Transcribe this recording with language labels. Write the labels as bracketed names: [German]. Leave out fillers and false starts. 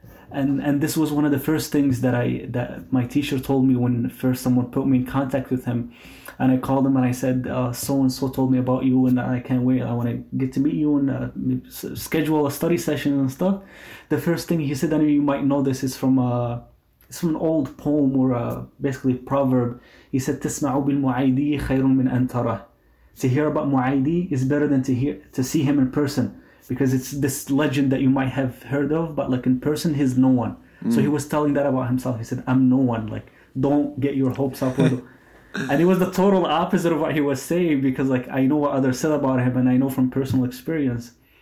[English] And this was one of the first things that I, that my teacher told me when first someone put me in contact with him. And I called him and I said, so-and-so told me about you and I can't wait. I want to get to meet you and schedule a study session and stuff. The first thing he said, and you might know this, is from it's from an old poem or basically a proverb. He said, [Arabic] تسمعوا بالمعيدي خير من أن ترى. [English] To hear about Mu'aydi is better than to see him in person. Because it's this legend that you might have heard of, but like in person, he's no one. Mm. So he was telling that about himself. He said, I'm no one. Like, don't get your hopes up. And it was the total opposite of what he was saying, because like, I know what others said about him and I know from personal experience.